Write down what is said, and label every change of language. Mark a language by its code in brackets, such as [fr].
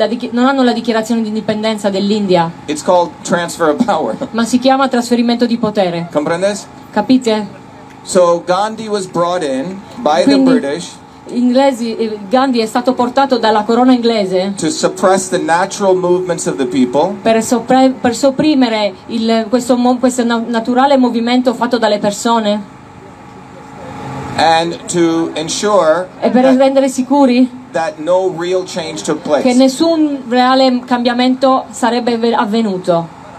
[it] Non hanno la dichiarazione di indipendenza dell'India. [en] It's called transfer of power. [it] Ma si chiama trasferimento di potere. [es] Comprendes? [it] Capite? [en] So Gandhi was brought in by [it] Quindi, [en] the British. [it] Inglesi, Gandhi è stato portato dalla corona inglese. [en] To suppress the natural movements of the people. [it] Per sopprimere questo naturale movimento fatto dalle persone. [en] And to ensure [it] e per rendere sicuri [en] that no real change took place. [it] Che nessun reale cambiamento sarebbe avvenuto.